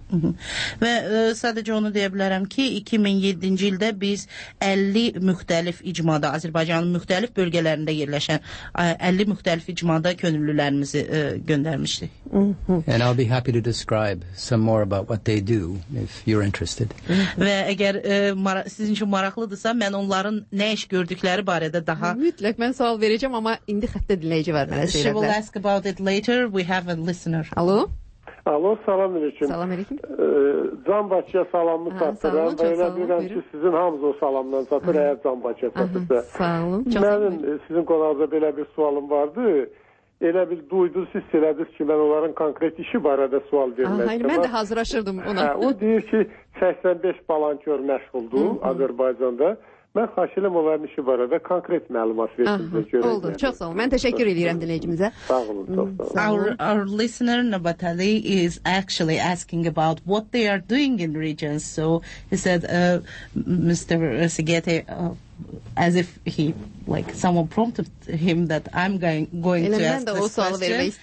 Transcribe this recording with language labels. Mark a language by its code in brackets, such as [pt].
[az] Və sadəcə onu deyə bilərəm ki, 2007-ci ildə biz 50 müxtəlif icmada, Azərbaycanın müxtəlif bölgələrində yerləşən 50 müxtəlif icmada könüllülərimizi göndərmişdik. [en] And I'll be happy to describe some more about what they do if you're interested. [az] Və əgər sizin üçün maraqlıdırsa, mən onların nə iş gördükləri barədə daha... Mütləq, mən sual verəcəm, amma indi xəttə dinləyəcəm. [en] She will ask about it later. We have a listener. [az] Alo? Alo, salam aleyküm. Salam aleyküm. Zambakıya salamını çatdırıram. Və elə bilirəm ki, sizin hamınız o salamdan çatır, əgər Zambakıya çatırsa. Sağ olun. Mənim sizin qonağınıza belə bir sualım vardı. Elə bil, duydunuz, siz söylədiniz ki, mən onların konkret işi barədə sual verməkdim. Hayır, mən də hazırlaşırdım ona. O deyir ki, 85 balankör məşğuldur Azərbaycanda. Mən xahiş edirəm onların işi barədə konkret məlumat versin. Aha, oldu, çox sağ olun. Mən təşəkkür edirəm dinləyicimizə. Sağ olun, çox sağ olun. [en] Our listener Nabat Ali is actually asking about what they are doing in regions. So he said, Mr. Sigeti, as if he, like, someone prompted him that I'm going to ask this question.